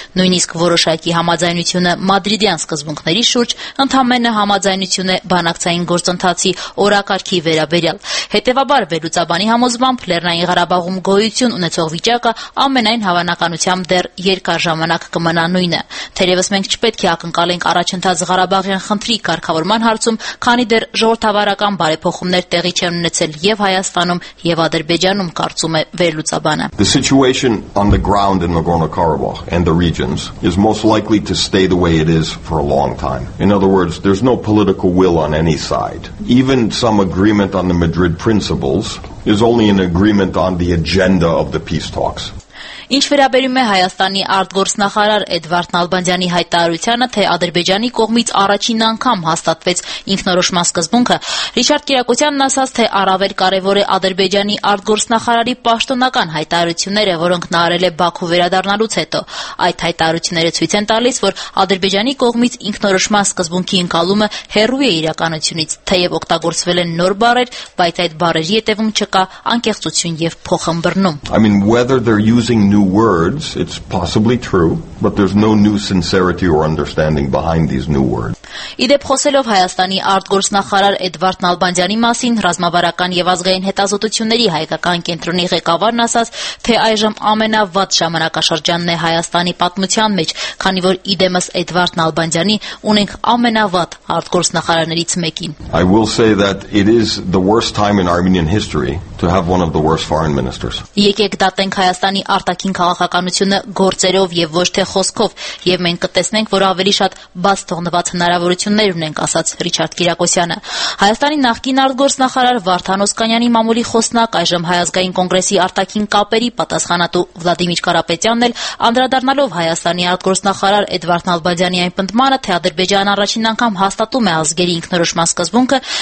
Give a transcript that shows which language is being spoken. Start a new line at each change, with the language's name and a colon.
Armenian: նույնիսկ որոշակի համաձայնությունը Մադրիդյան սկզբունքների շուրջ ընդհանրմենը համաձայնություն է բանակցային գործընթացի օրակարգի վերաբերյալ։ Հետևաբար վերլուծաբանի համոզմամբ Լեռնային Ղարաբաղում գոյություն ունեցող վիճակը ամենայն հավանականությամբ դեռ երկար ժամանակ կմնա նույնը։ Թերևս մենք չպետք է ակնկալենք առաջընթաց Ղարաբաղյան խնդրի կարգավորման հարցում, քանի դեռ ժողովրդավարական բարեփոխումներ տեղի չեն ունեցել եւ Հայաստանում եւ Ադրբեջանում, կարծում է վերլուծաբանը։
English: The situation on the ground in Nagorno-Karabakh and the regions is most likely to stay the way it is for a long time. In other words, there's no political will on any side. Even some agreement on the Madrid principles is only an agreement on the agenda of the peace talks.
Armenian: Ինչ վերաբերում է Հայաստանի արտգործնախարար Էդվարդ Նալբանդյանի հայտարարությանը, թե Ադրբեջանի կողմից առաջին անգամ հաստատվեց ինքնորոշման սկզբունքը, Ռիչարդ Կիրակոսյանն ասաց, թե առավել կարևոր է Ադրբեջանի արտգործնախարարի պաշտոնական հայտարարությունները, որոնք նա արել է Բաքու վերադառնալուց հետո։ Այդ հայտարարությունները ցույց են տալիս, որ Ադրբեջանի կողմից ինքնորոշման սկզբունքի ընկալումը հեռու է իրականությունից, թեև օգտագործվել են նոր բառեր, բայց այդ բառերի հետևում չկա անկեղծություն եւ փոխմբռնում։
English: I mean, new words. It's possibly true, but there's no new sincerity or understanding behind these new words.
Armenian: Իդեպ խոսելով Հայաստանի արտգործնախարար Էդվարդ Նալբանդյանի մասին, ռազմավարական և ազգային հետազոտությունների հայկական կենտրոնի ղեկավարն ասաց, թե այժմ ամենավատ ժամանակաշրջանն է Հայաստանի պատմության մեջ, քանի որ իդեմս Էդվարդ Նալբանդյանի ունենք ամենավատ արտգործնախարարներից մեկին.
English: I will say that it is the worst time in Armenian history to have one of the worst foreign ministers.
Armenian: Եկեք դատենք Հայաստանի արտաքին քաղաքականությունը գործերով և ոչ թե խոսքով, և մենք կտեսնենք, որ ավելի շատ բաց թողնված հնարավորություններ ունենք, ասաց Ռիչարդ Կիրակոսյանը։ Հայաստանի նախկին արտգործնախարար Վարդան Օսկանյանի մամուլի խոսնակ այժմ Հայազգային կոնգրեսի արտաքին կապերի պատասխանատու Վլադիմիր Կարապետյանն էլ, անդրադառնալով Հայաստանի արտգործնախարար Էդվարդ Նալբանդյանի այն պնդմանը, թե Ադրբեջանը առաջին անգամ հաստատում է ազգերի ինքնորոշման սկզբունքը,